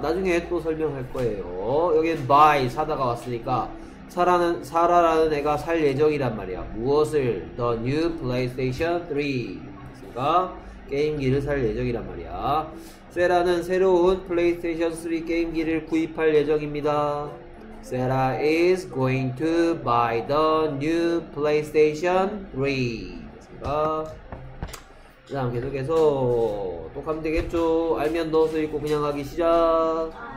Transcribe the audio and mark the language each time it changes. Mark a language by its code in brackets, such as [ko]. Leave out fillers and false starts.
[ko] 나중에 또 설명할 거예요. 여기엔 by 사다가 왔으니까 사라라는 애가 살 예정이란 말이야. 무엇을? [en] The new PlayStation 3. [ko] 알겠습니까? 게임기를 살 예정이란 말이야. 세라는 새로운 플레이스테이션 3 게임기를 구입할 예정입니다. [en] Sarah is going to buy the new PlayStation 3. [ko] 그 다음 계속해서 또 가면 되겠죠. 알면 넣어서 읽고 그냥 하기 시작.